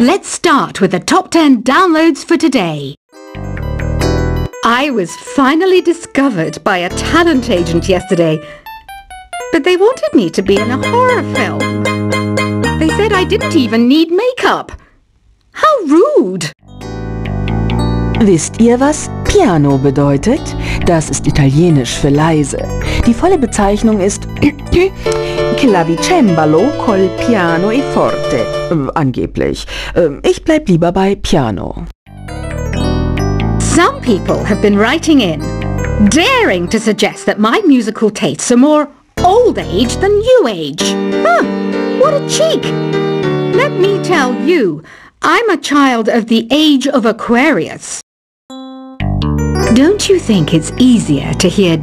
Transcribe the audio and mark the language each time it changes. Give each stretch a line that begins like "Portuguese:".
English: Let's start with the top 10 downloads for today. I was finally discovered by a talent agent yesterday, but they wanted me to be in a horror film. They said I didn't even need makeup. How rude!
German: Wisst ihr, was Piano bedeutet? Das ist italienisch für leise. Die volle Bezeichnung ist
Italian: Clavicembalo col piano e forte.
German: Angeblich. Ich bleib lieber bei piano.
English: Some people have been writing in, daring to suggest that my musical tastes are more old age than new age. Huh, what a cheek! Let me tell you, I'm a child of the age of Aquarius. Don't you think it's easier to hear